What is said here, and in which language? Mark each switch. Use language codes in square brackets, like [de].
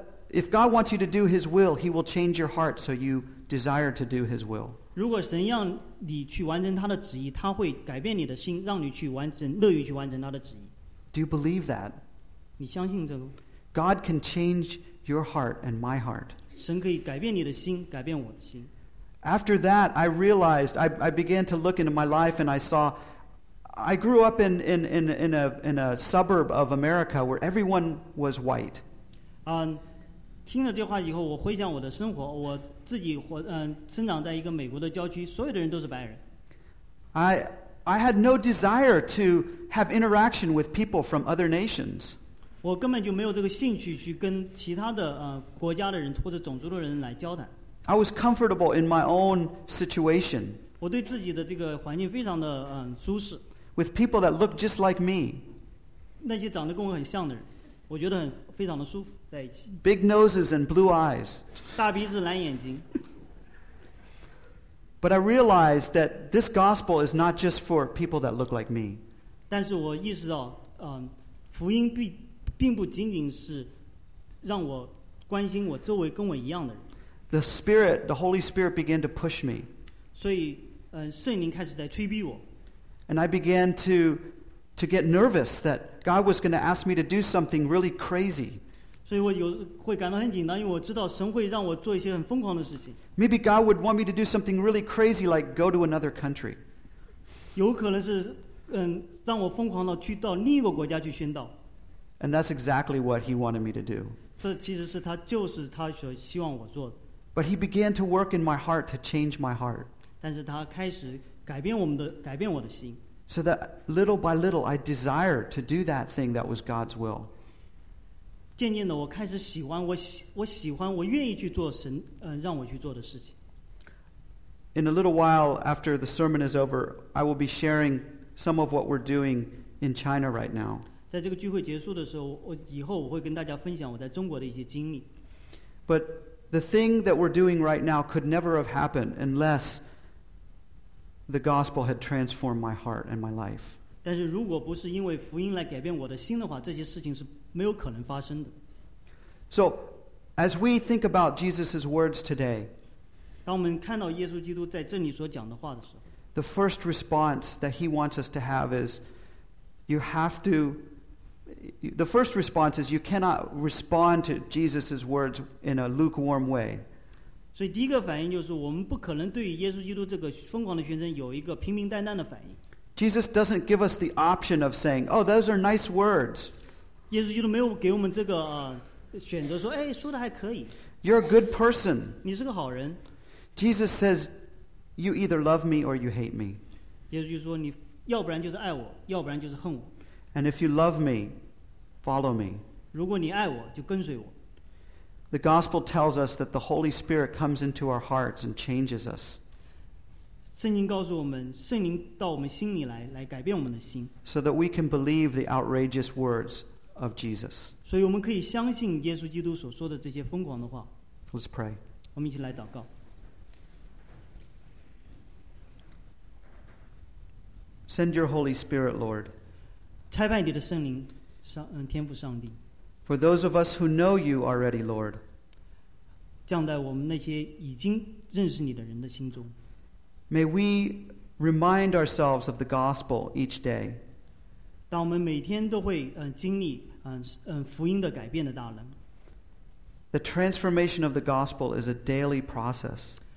[en] If God wants you to do His will, He will change your heart so you desire to do His will. [zh] 如果神让你去完成他的旨意，他会改变你的心，让你去完成，乐于去完成他的旨意。 [en] Do you believe that? [zh] 你相信这个？ [en] God can change your heart and my heart. [zh] 神可以改变你的心，改变我的心。 [en] After that, I realized, I began to look into my life and I saw, I grew up in a suburb of America where everyone was white. [zh] 听了这话以后，我回想我的生活，我自己生长在一个美国的郊区，所有的人都是白人。 [en] I had no desire to have interaction with people from other nations. [zh] 我根本就没有这个兴趣去跟其他的国家的人或者种族的人来交谈。 [en] I was comfortable in my own situation. [zh] 我对自己的这个环境非常的舒适。 [en] With people that looked just like me. [zh] 那些长得跟我很像的人，我觉得很非常的舒服。 [en] Big noses and blue eyes. [zh] 大鼻子蓝眼睛。 [en] But I realized that this gospel is not just for people that look like me. [zh] 但是我意识到，福音并不仅仅是让我关心我周围跟我一样的人。 [en] The Spirit, the Holy Spirit began to push me. [zh] 所以，圣灵开始在催逼我。 [en] And I began to get nervous that God was going to ask me to do something really crazy. [zh] 所以我有会感到很紧张，因为我知道神会让我做一些很疯狂的事情。 [en] Maybe God would want me to do something really crazy, like go to another country. [zh] 有可能是让我疯狂的去到另一个国家去宣道。 [en] And that's exactly what He wanted me to do. [zh] 这其实是他就是他所希望我做的。 [en] But He began to work in my heart to change my heart. [zh] 但是他开始改变我的心。 [en] So that little by little, I desire to do that thing that was God's will. [zh] 渐渐的，我开始喜欢我喜欢我愿意去做神让我去做的事情。 [en] In a little while after the sermon is over, I will be sharing some of what we're doing in China right now. [zh] 在这个聚会结束的时候，我以后我会跟大家分享我在中国的一些经历。 [en] But the thing that we're doing right now could never have happened unless the gospel had transformed my heart and my life. [zh] 但是如果不是因为福音来改变我的心的话，这些事情是。没有可能发生的。 [en] So, as we think about Jesus' words today, [zh] 当我们看到耶稣基督在这里所讲的话的时候， [en] the first response that he wants us to have is, you have to, the first response is you cannot respond to Jesus' words in a lukewarm way. [zh] 所以第一个反应就是我们不可能对于耶稣基督这个疯狂的宣称有一个平平淡淡的反应。 [en] Jesus doesn't give us the option of saying, oh, those are nice words. [zh] 耶稣基督没有给我们这个选择，说：“哎，说的还可以。” [en] You're a good person. [zh] 你是个好人。 [en] Jesus says, "You either love me or you hate me." [zh] 耶稣就说：“你要不然就是爱我，要不然就是恨我。” [en] And if you love me, follow me. [zh] 如果你爱我，就跟随我。 [en] The gospel tells us that the Holy Spirit comes into our hearts and changes us. [zh] 圣经告诉我们，圣灵到我们心里来改变我们的心。 [en] So that we can believe the outrageous words. Of Jesus. [zh] 所以我们可以相信耶稣基督所说的这些疯狂的话。 [en] Let's pray. [zh] 我们一起来祷告。 [en] Send your Holy Spirit, Lord. [zh] 差派你的圣灵。天父上帝。 [en] For those of us who know you already, Lord, [zh] 降在我们那些已经认识你的人的心中。 [en] May we remind ourselves of the gospel each day. [zh] 当我们每天都会经历福音的改变的大能。 [en] The transformation of the gospel is a daily process.